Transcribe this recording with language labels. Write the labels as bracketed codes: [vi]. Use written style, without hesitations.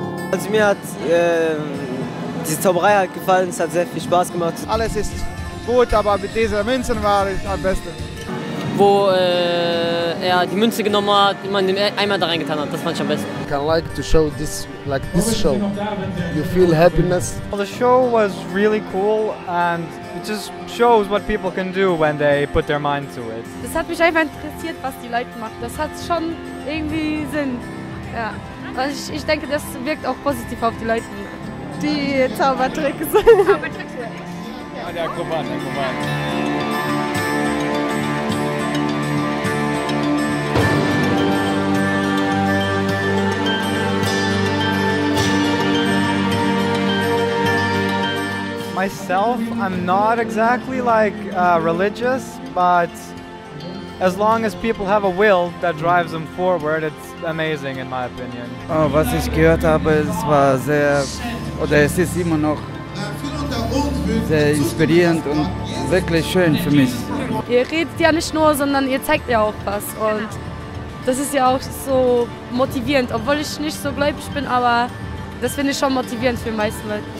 [de] Also mir hat diese Zauberei halt gefallen, es hat sehr viel Spaß gemacht. Alles ist gut, aber mit dieser Münze war es am besten. Wo er die Münze genommen hat, immer den Eimer da reingetan hat, das fand ich am besten. [en] I can like to show this, like this show. You feel happiness. Well, the show was really cool and it just shows what people can do when they put their mind to it. [de] Das hat mich einfach interessiert, was die Leute machen. Das hat schon irgendwie Sinn, ja. Also ich denke, das wirkt auch positiv auf die Leute, die Zaubertricks. Zaubertricks, ja. Ja, guck mal. [en] Myself, I'm not exactly like religious, but as long as people have a will that drives them forward, it's amazing in my opinion. [de] Oh, was ich gehört habe, es war sehr, oder es ist immer noch sehr inspirierend und wirklich schön für mich. Ihr redet ja nicht nur, sondern ihr zeigt ja auch was. Und das ist ja auch so motivierend, obwohl ich nicht so gläubig bin, aber das finde ich schon motivierend für die meisten Leute.